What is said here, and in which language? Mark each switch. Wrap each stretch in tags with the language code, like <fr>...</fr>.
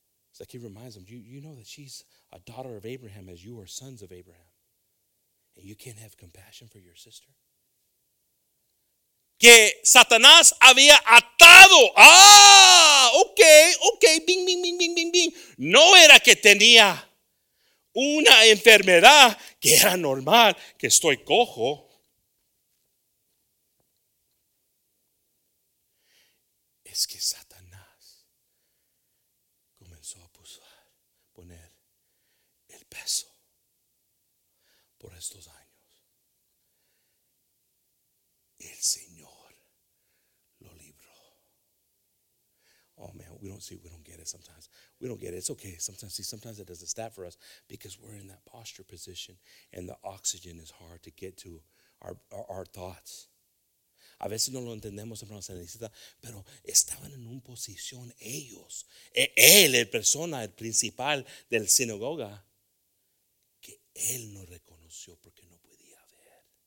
<en>It's like he reminds them, you know that she's a daughter of Abraham as you are sons of Abraham. And you can't have compassion for your sister.</en> <es>Que Satanás había atado. Ah, ok, bing, bing, bing, bing, bing, bing. No era que tenía una enfermedad, que era normal, que estoy cojo. Es que Satanás comenzó a poner el peso por estos años. El Señor lo libró.</es> <en>Oh man, we don't get it sometimes. We don't get it. It's okay. Sometimes it doesn't stop for us because we're in that posture position and the oxygen is hard to get to our thoughts.</en> <es>A veces no lo entendemos, pero estaban en una posición ellos, él, el persona, el principal del sinagoga, que él no reconoció porque no podía ver.</es>